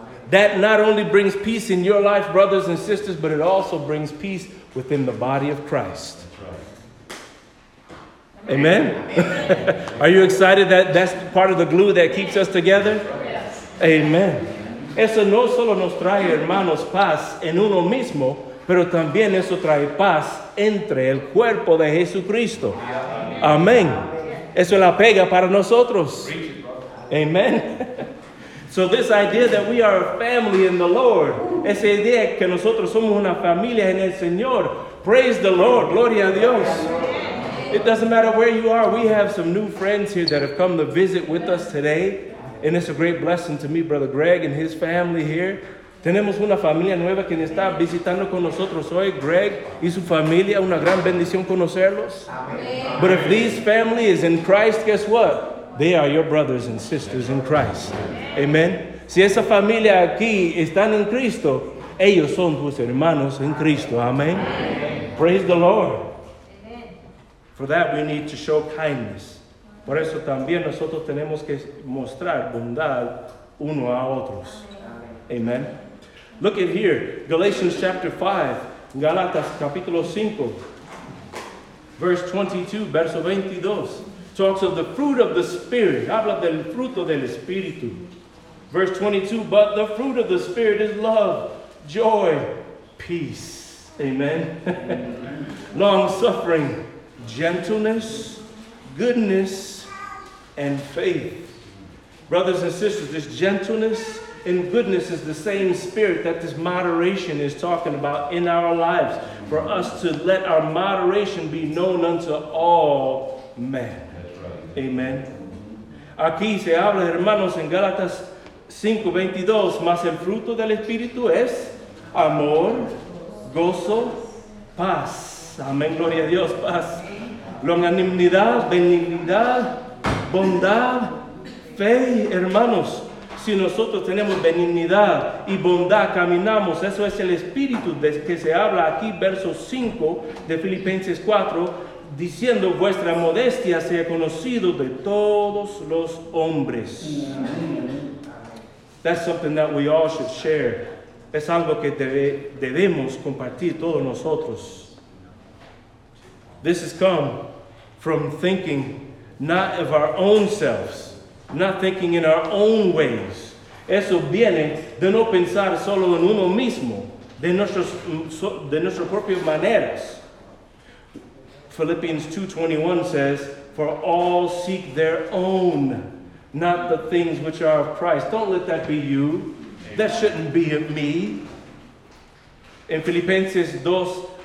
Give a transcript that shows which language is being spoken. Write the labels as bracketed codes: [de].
[en] That not only brings peace in your life, brothers and sisters, but it also brings peace within the body of Christ. Right. Amen? Amen. Are you excited that that's part of the glue that keeps us together? Yes. Amen. [es] Eso no solo nos trae, hermanos, paz en uno mismo, pero también eso trae paz entre el cuerpo de Jesucristo. Amén. Eso es la pega para nosotros. Amén. [en] So this idea that we are a family in the Lord, [es] esa idea que nosotros somos una familia en el Señor, [en] praise the Lord, [es] gloria a Dios. [en] It doesn't matter where you are, we have some new friends here that have come to visit with us today. And it's a great blessing to meet Brother Greg and his family here. [es] Tenemos una familia nueva que está visitando con nosotros hoy. Greg y su familia, una gran bendición conocerlos. [en] Amen. But if this family is in Christ, guess what? They are your brothers and sisters in Christ. Amen. [es] Si esa familia aquí están en Cristo, ellos son tus hermanos en Cristo. [en] Amen. Praise the Lord. For that, we need to show kindness. [es] Por eso también nosotros tenemos que mostrar bondad uno a otros. [en] Amen. Look at here, Galatians chapter 5, [es] Galatas capítulo 5, [en] verse 22, [es] verso 22, [en] talks of the fruit of the Spirit. [es] Habla del fruto del Espíritu. [en] Verse 22, but the fruit of the Spirit is love, joy, peace. Amen. Long suffering, gentleness, goodness, and faith. Brothers and sisters, this gentleness and goodness is the same spirit that this moderation is talking about in our lives, for us to let our moderation be known unto all men. Amen. [es] Aquí se habla, hermanos, en Gálatas 5:22, mas el fruto del Espíritu es amor, gozo, paz. Amén, gloria a Dios, paz. Longanimidad, benignidad, bondad, fe, hermanos. Si nosotros tenemos benignidad y bondad, caminamos. Eso es el espíritu de que se habla aquí, verso 5 de Filipenses 4, diciendo vuestra modestia sea conocida de todos los hombres. [en] That's something that we all should share. [es] Es algo que debemos compartir todos nosotros. [en] This has come from thinking not of our own selves, not thinking in our own ways. [es] Eso viene de no pensar solo en uno mismo, de nuestras propias maneras. [en] Philippians 2:21 says, for all seek their own, not the things which are of Christ. Don't let that be you. Amen. That shouldn't be of me. [es] En Filipenses 2:21,